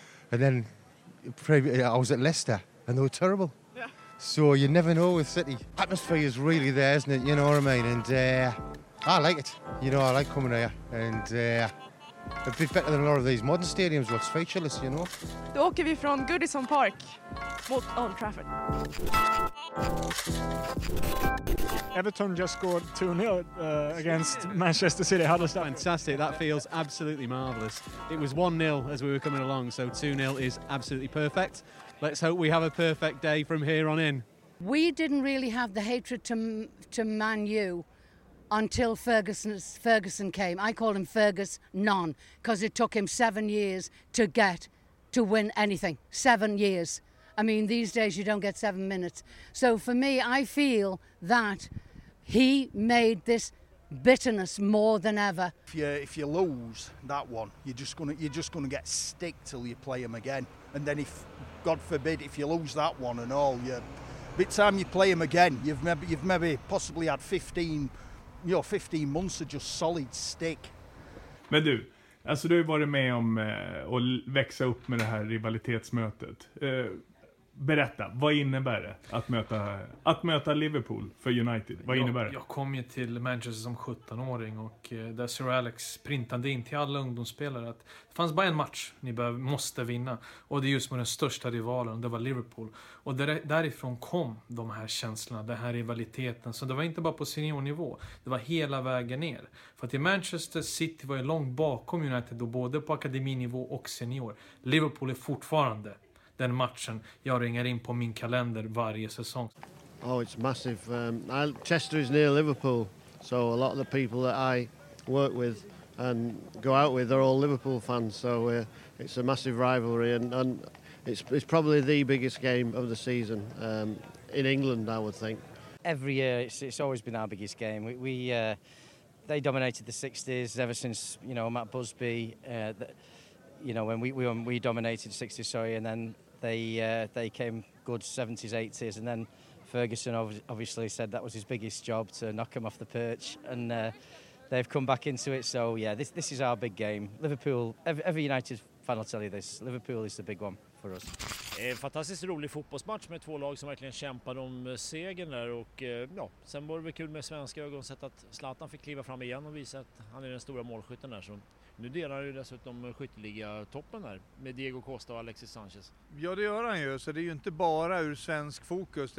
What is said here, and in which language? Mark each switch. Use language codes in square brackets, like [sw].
[en] And then I was at Leicester. And they were terrible. Yeah. So you never know with City. Atmosphere is really there, isn't it? You know what I mean? And I like it. You know, I like coming here. And a bit better than a lot of these modern stadiums, what's featureless, you know? [sv] Då åker vi från Goodison Park mot Old Trafford. [en] Everton just scored 2-0 against Manchester City. How does that feel? Fantastic. That feels absolutely marvellous. It was 1-0 as we were coming along, so 2-0 is absolutely perfect. Let's hope we have a perfect day from here on in. We didn't really have the hatred to Man U until Ferguson came. I call him Fergus Non, because it took him 7 years to get to win anything. 7 years. I mean, these days you don't get 7 minutes. So for me, I feel that he made this bitterness more than ever. If you lose that one, you're just gonna get stick till you play him again. And then if, God forbid, if you lose that one and all, you, by the time you play him again, you've maybe possibly had 15 you know, 15 months of just solid stick. [sv] Men du, alltså du har ju varit med om att växa upp med det här rivalitetsmötet. Berätta, vad innebär det att möta Liverpool för United? Vad innebär det? Jag kom ju till Manchester som 17-åring och där Sir Alex printade in till alla ungdomsspelare att det fanns bara en match ni måste vinna. Och det är just med den största rivalen, det var Liverpool. Och därifrån kom de här känslorna, den här rivaliteten. Så det var inte bara på seniornivå, det var hela vägen ner. För att i Manchester City var ju långt bakom United då, både på akademinivå och senior. Liverpool är fortfarande den matchen jag ringer in på min kalender varje säsong. [en] Oh, it's massive. Chester is near Liverpool, so a lot of the people that I work with and go out with are all Liverpool fans, so it's a massive rivalry and it's probably the biggest game of the season in England, I would think. Every year it's always been our biggest game. They dominated the 60s ever since, you know, Matt Busby, when we dominated 60s, sorry, and then they came good 70s, 80s, and then Ferguson obviously said that was his biggest job to knock him off the perch, and they've come back into it. So yeah, this is our big game. Liverpool, every United fan will tell you this, Liverpool is the big one for us. [sv] En fantastiskt rolig fotbollsmatch med två lag som verkligen kämpade om segern där, och ja, sen var det kul med svenska ögon sett att Zlatan fick kliva fram igen och visa att han är den stora målskytten där. Så nu delar han ju dessutom skytteliga toppen där med Diego Costa och Alexis Sanchez. Ja, det gör han ju, så det är ju inte bara ur svensk fokus.